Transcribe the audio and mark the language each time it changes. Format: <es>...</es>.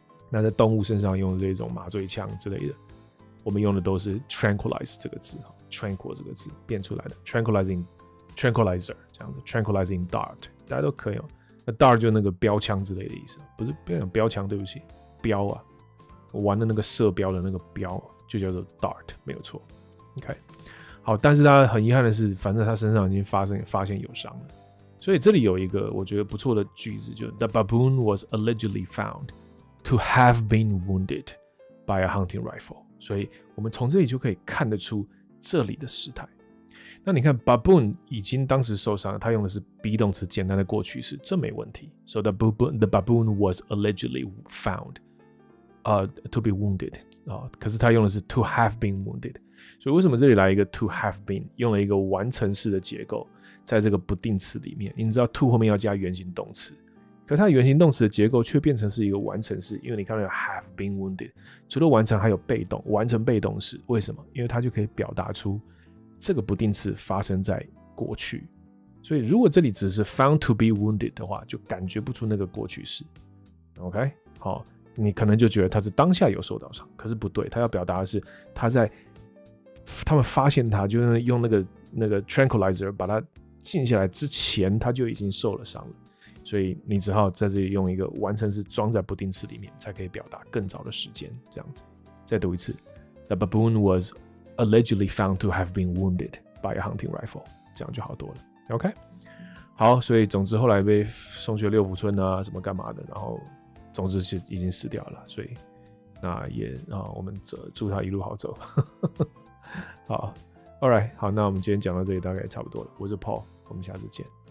<zh>那在动物身上用的这种麻醉枪之类的，我们用的都是 tranquilize 这个字 ，tranquil 这个字变出来的 tranquilizing tranquilizer 这样子 tranquilizing dart， 大家都可以。那 dart 就那个标枪之类的意思，不是不要讲标枪，对不起，标啊。我玩的那个射标的那个标就叫做 dart， 没有错。 OK， 好，但是他很遗憾的是，反正他身上已经发现有伤了。所以这里有一个我觉得不错的句子，就</zh> <en>The baboon was allegedly found to have been wounded by a hunting rifle。</en> <zh>所以我们从这里就可以看得出这里的时态。那你看 baboon 已经当时受伤了，他用的是 be 动词简单的过去式，这没问题。</zh> <en>So the baboon was allegedly found。</en> <zh>To be wounded 啊、可是他用的是 to have been wounded， 所以为什么这里来一个 to have been， 用了一个完成式的结构，在这个不定词里面，你知道 to 后面要加原形动词，可是它原形动词的结构却变成是一个完成式，因为你看到有 have been wounded， 除了完成还有被动，完成被动式，为什么？因为它就可以表达出这个不定词发生在过去，所以如果这里只是 found to be wounded 的话，就感觉不出那个过去式。 OK， 好。你可能就觉得他是当下有受到伤，可是不对，他要表达的是他们发现他，就是用那个 tranquilizer 把他静下来之前，他就已经受了伤了，所以你只好在这里用一个完成式装在不定词里面，才可以表达更早的时间。这样子，再读一次</zh> <en>，The baboon was allegedly found to have been wounded by a hunting rifle，</en> <zh>这样就好多了。 OK， 好，所以总之后来被送去六福村啊，什么干嘛的，然后。总之是已经死掉了，所以那也、我们祝他一路好走。好 ，All right， 好，那我们今天讲到这里大概差不多了。我是 Paul， 我们下次见。</zh>